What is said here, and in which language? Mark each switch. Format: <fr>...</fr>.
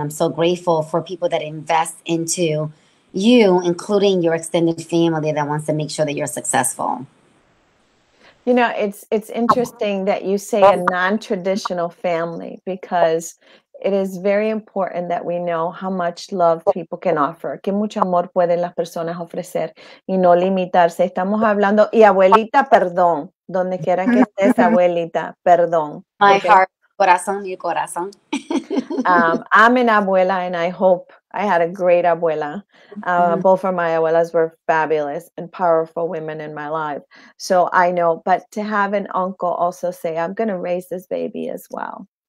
<en>I'm so grateful for people that invest into you, including your extended family that wants to make sure that you're successful. You know, it's interesting that you say a non-traditional family, because it is very important that we know how much love people can offer.</en> <es>Que mucho amor pueden las personas ofrecer y no limitarse. Estamos hablando, y abuelita, perdón, donde quiera que estés, abuelita, perdón.</es> <en>My heart,</en> <es>corazón, mi corazón.</es> <en>I'm an abuela, and I hope I had a great abuela. Both of my abuelas were fabulous and powerful women in my life. So I know, but to have an uncle also say, I'm going to raise this baby as well.</en>